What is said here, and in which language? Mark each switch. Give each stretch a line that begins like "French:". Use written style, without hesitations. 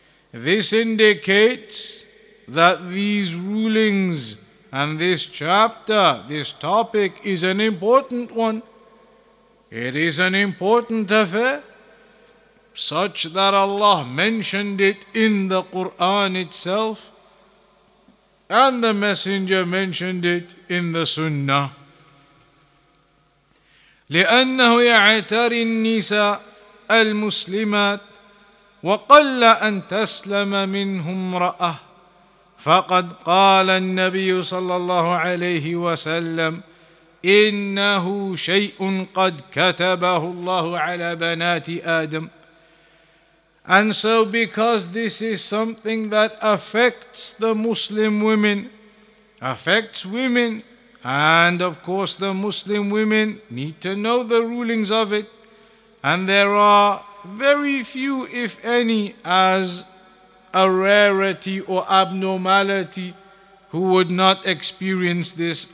English: This indicates that these rulings and this chapter, this topic, is an important one. It is an important affair, such that Allah mentioned it in the Quran itself, and the Messenger mentioned it in the sunnah.
Arabic: لأنه يعتري النساء المسلمات وقل أن تسلم منهم امرأة فقد قال النبي صلى الله عليه وسلم إنه شيء قد كتبه الله على بنات آدم.
English: And so because this is something that affects the Muslim women, affects women, and of course the Muslim women need to know the rulings of it, and there are very few, if any, as a rarity or abnormality, who would not experience this.